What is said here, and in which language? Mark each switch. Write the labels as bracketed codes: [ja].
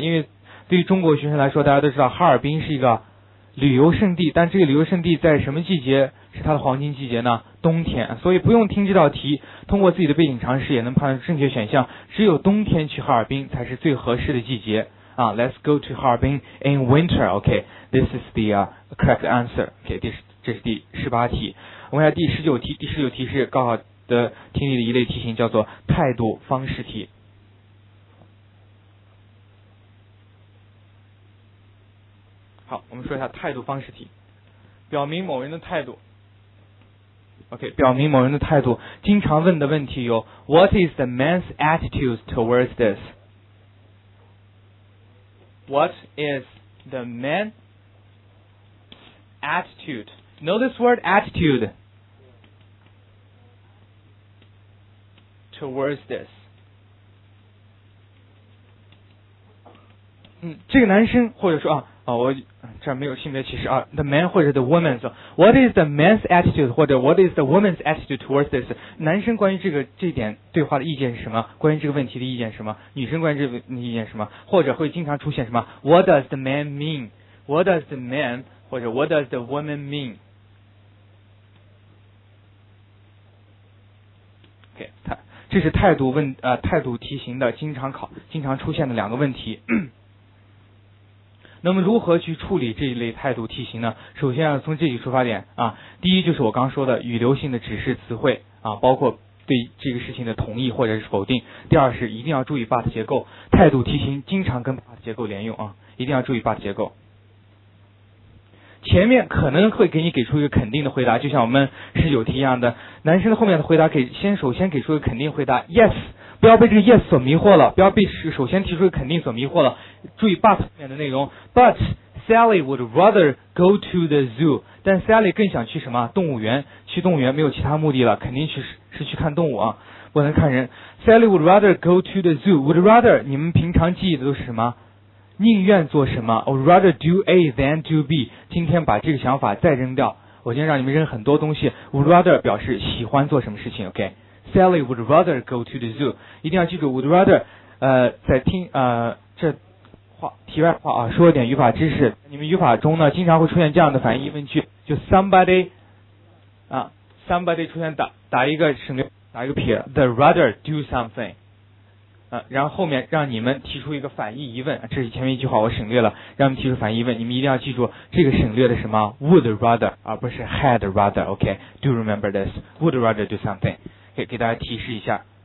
[zh] 因为对于中国学生来说，大家都知道哈尔滨是一个旅游胜地，但这个旅游胜地在什么季节是它的黄金季节呢？冬天。所以不用听这道题，通过自己的背景常识也能判断正确选项，只有冬天去哈尔滨才是最合适的季节啊。 [en] Let's go to Harbin in winter. OK, this is the correct answer. [zh] OK, 这是第十八题。我们看第十九题，第十九题是高考的听力的一类题型，叫做态度方式题。好，我们说一下态度方式题，表明某人的态度。 [en] OK， [zh] 表明某人的态度，经常问的问题有 [en] What is the man's attitude towards this? What is the man's attitude? Know this word attitude. Towards this， [zh] 这个男生或者说啊，啊，我这没有性别歧视啊 [en] ，the man 或者 the woman， 说 what is the man's attitude 或者 what is the woman's attitude towards this？ [zh] 男生关于这点对话的意见是什么？关于这个问题的意见是什么？女生关于这个意见是什么？或者会经常出现什么 [en] ？What does the man mean？ What does the man 或者 what does the woman mean？ [zh] OK， 这是态度问态度题型的经常考经常出现的两个问题。那么如何去处理这一类态度题型呢？首先要从这几出发点啊，第一就是我刚说的语流性的指示词汇啊，包括对这个事情的同意或者是否定。第二是一定要注意 but 结构，态度题型经常跟 but 结构连用啊，一定要注意 but 结构。前面可能会给你给出一个肯定的回答，就像我们十九题一样的，男生的后面的回答首先给出一个肯定回答 yes。不要被这个 yes 所迷惑了，不要被首先提出的肯定所迷惑了，注意 but 后面的内容。 [en] but Sally would rather go to the zoo， [zh] 但 Sally 更想去什么动物园，去动物园没有其他目的了，肯定是去看动物啊，不能看人。 [en] Sally would rather go to the zoo， [zh] would rather 你们平常记忆的都是什么，宁愿做什么。 [en] would rather do A than do B， [zh] 今天把这个想法再扔掉，我今天让你们扔很多东西。 would rather 表示喜欢做什么事情。 [en] OKSally would rather go to the zoo， [zh] 一定要记住 would rather， 在听这话题外话啊，说一点语法知识。你们语法中呢经常会出现这样的反义问句，就 somebody 啊 somebody 出现打一个省略打一个撇 the rather do something 啊，然后后面让你们提出一个反义疑问，这是前面一句话我省略了，让你们提出反义问。你们一定要记住这个省略的什么 would rather 而不是 had rather。 [en] OK， do remember this， would rather do something， [zh] 给大家提示一下。